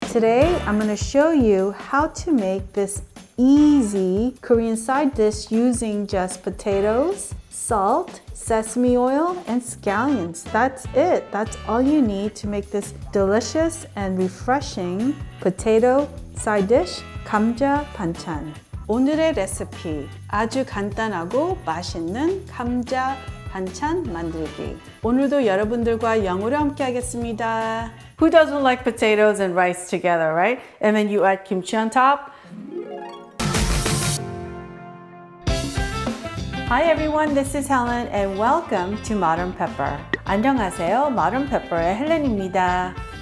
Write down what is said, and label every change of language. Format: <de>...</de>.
<en>Today, I'm going to show you how to make this easy Korean side dish using just potatoes, salt, sesame oil, and scallions. That's it. That's all you need to make this delicious and refreshing potato side dish, gamja banchan.</en> <ko>오늘의 레시피, 아주 간단하고 맛있는 감자 반찬 만들기. 오늘도 여러분들과 영어로 함께 하겠습니다.</ko> <en>Who doesn't like potatoes and rice together, right? And then you add kimchi on top. Hi everyone, this is Helen and welcome to Modern Pepper.</en> <ko>안녕하세요, Modern Pepper의 헬렌입니다.</ko>